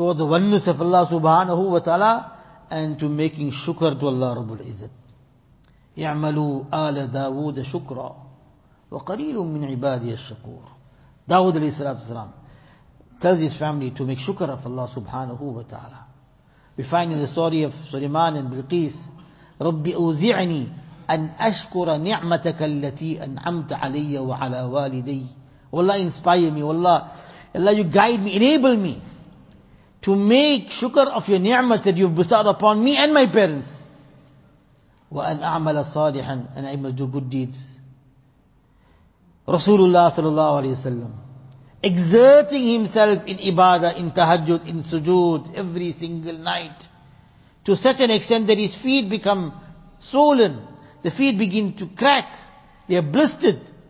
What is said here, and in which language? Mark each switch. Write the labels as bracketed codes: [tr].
[en] towards the oneness of Allah subhanahu wa ta'ala and to making shukr to Allah Rabbul Izzat. [ar] يَعْمَلُوا آلَ دَاوُودَ شُكْرًا وَقَلِيلٌ مِّنْ عِبَادِيَ الشَّكُورِ. [en] Dawood alayhi salatu wasalam tells his family to make shukr of Allah subhanahu wa ta'ala. We find in the story of Suleiman and Bilqis, [ar] رَبِّ أَوْزِعْنِي أَنْ أَشْكُرَ نِعْمَتَكَ الَّتِي أَنْعَمْتَ عَلَيَّ وَعَلَى وَالِدَيِّ. [en] Allah inspire me, Allah you guide me, enable me to make shukr of your ni'mat that you've bestowed upon me and my parents. [ar] وَأَنْ أَعْمَلَ صَالِحًا [en] and I must do good deeds. Rasulullah sallallahu alayhi wa sallam exerting himself in ibadah, in tahajjud, in sujood, every single night to such an extent that his feet become swollen, the feet begin to crack, they are blistered.